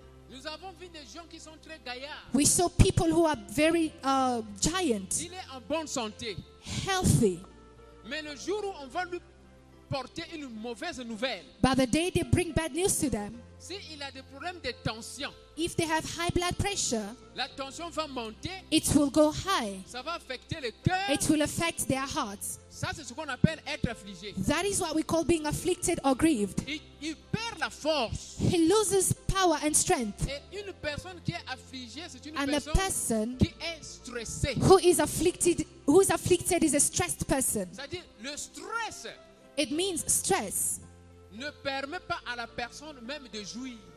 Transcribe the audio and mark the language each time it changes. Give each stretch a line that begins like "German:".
French: Nous avons vu des gens qui sont très gaillards.
English: We saw people who are very giant.
French: Il est en bonne santé.
English: Healthy.
French: Mais le jour où on va lui porter une mauvaise nouvelle.
English: By the day they bring bad news to them.
French: Si il a des problèmes de tension.
English: If they have high blood pressure.
French: La tension va monter.
English: It will go high.
French: Ça va affecter le cœur.
English: It will affect their hearts.
French: Ça c'est ce qu'on appelle être affligé.
English: That is what we call being afflicted or grieved.
French: Il perd la force.
English: He loses power and strength.
French: Et une personne qui est affligée, c'est une
English: and
French: personne
English: a person
French: qui est stressée.
English: Who is afflicted is a stressed person.
French: C'est-à-dire le stress.
English: It means stress.
French: Ne permet pas à la personne même de jouir.